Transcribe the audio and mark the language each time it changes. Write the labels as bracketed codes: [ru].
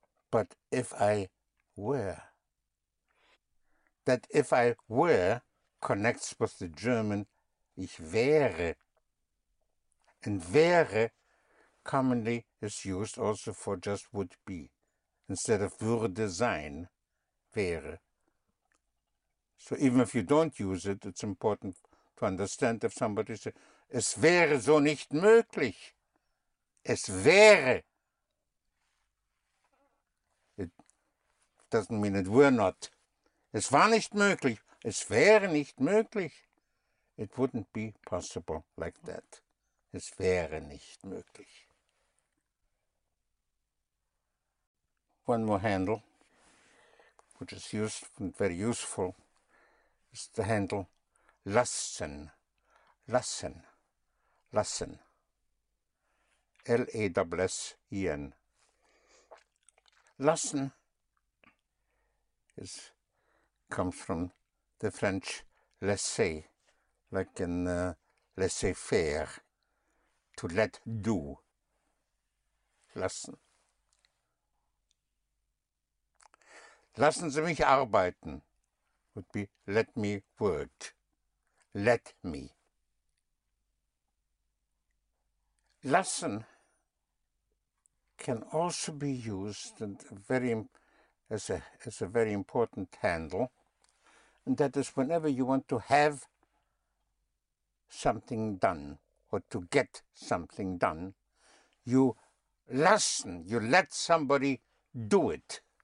[en] But if I were, that if I were connects with the German [de] ich wäre. [en] And wäre commonly is used also for just would be. Instead of [de] würde sein, [en] wäre. So even if you don't use it, it's important to understand if somebody says, [de] es wäre so nicht möglich. Es wäre. [en] It doesn't mean it were not. [de] Es war nicht möglich. Es wäre nicht möglich. [en] It wouldn't be possible like that. [de] Es wäre nicht möglich. [en] One more handle, which is used and very useful, is the handle lassen. Lassen. Lassen. L-A-S-S-E-N. Lassen is comes from the French laisser, like in laissez-faire, to let do. [de] Lassen. Lassen Sie mich arbeiten [en] would be let me work. Let me. Lassen can also be used and very as a very important handle, and that is whenever you want to have something done or to get something done, you lassen, you let somebody do it.